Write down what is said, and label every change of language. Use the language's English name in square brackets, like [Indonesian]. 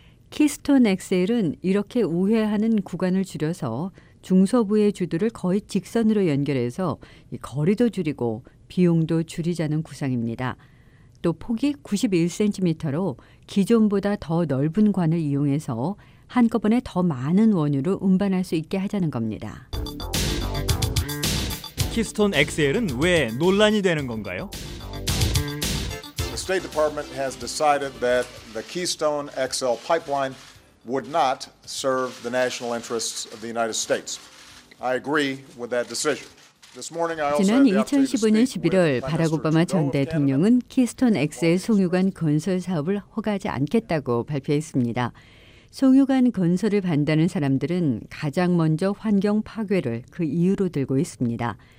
[Korean] 키스톤 XL은 이렇게 우회하는 구간을 줄여서 중서부의 주들을 거의 직선으로 연결해서 거리도 줄이고 비용도 줄이자는 구상입니다. 또 폭이 91cm로 기존보다 더 넓은 관을 이용해서 한꺼번에 더 많은 원유를 운반할 수 있게 하자는 겁니다. 키스톤 XL은 왜 논란이 되는 건가요? [English] The State Department has decided that the Keystone XL pipeline would not serve the national interests of the United States. I agree with that decision. [Korean] 지난 2015년 11월 바락 오바마 전 대통령은 키스톤 XL 송유관 건설 사업을 허가하지 않겠다고 발표했습니다. 송유관 건설을 반대하는 사람들은 가장 먼저 환경 파괴를 그 이유로 들고 있습니다.